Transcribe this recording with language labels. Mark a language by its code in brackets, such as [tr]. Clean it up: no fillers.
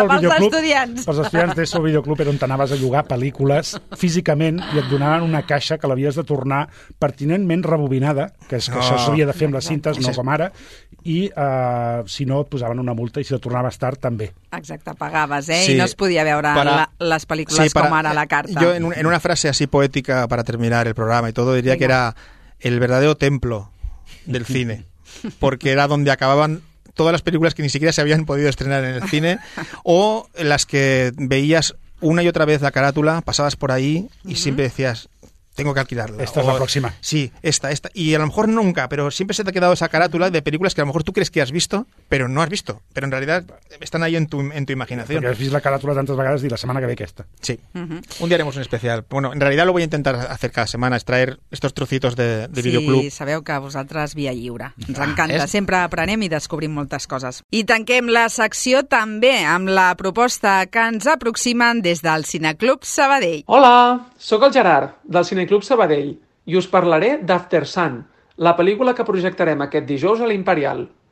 [ca] Pels estudiants d'ESO, el videoclub era on t'anaves a llogar pel·lícules físicament i et donaven una caixa que l'havies de tornar pertinentment rebobinada, que això s'havia de fer amb les cintes, no com ara, i si no et posaven una multa i si et tornaves tard també. Exacte, pagaves, sí. I no es podia veure les pel·lícules com ara a la carta. [es] Jo en una frase así poètica para terminar el programa y todo, [ca] diria [es] que era el verdadero templo del cine, porque era donde acababan todas las películas que ni siquiera se habían podido estrenar en el cine, o las que veías una y otra vez la carátula, pasabas por ahí y uh-huh. siempre decías, tengo que alquilarla. Esta es la próxima. Sí, esta. Y a lo mejor nunca, pero siempre se te ha quedado esa carátula de películas que a lo mejor tú crees que has visto, pero no has visto. Pero en realidad están ahí en tu imaginación. Porque has visto la carátula tantas veces y la semana que ve que está. Sí. Uh-huh. Un día haremos un especial. Bueno, en realidad lo voy a intentar hacer cada semana, extraer estos trocitos de videoclub. [ca] Sí, sabeu que vosaltres via lliure. Ens encanta. Sempre aprenem i descobrim moltes coses. I tanquem la secció també amb la proposta que ens aproximen des del Cineclub Sabadell. Hola, sóc el Gerard, del Cineclub Sabadell, i us parlaré d'After Sun, la pel·lícula que projectarem aquest dijous a l'Imperial.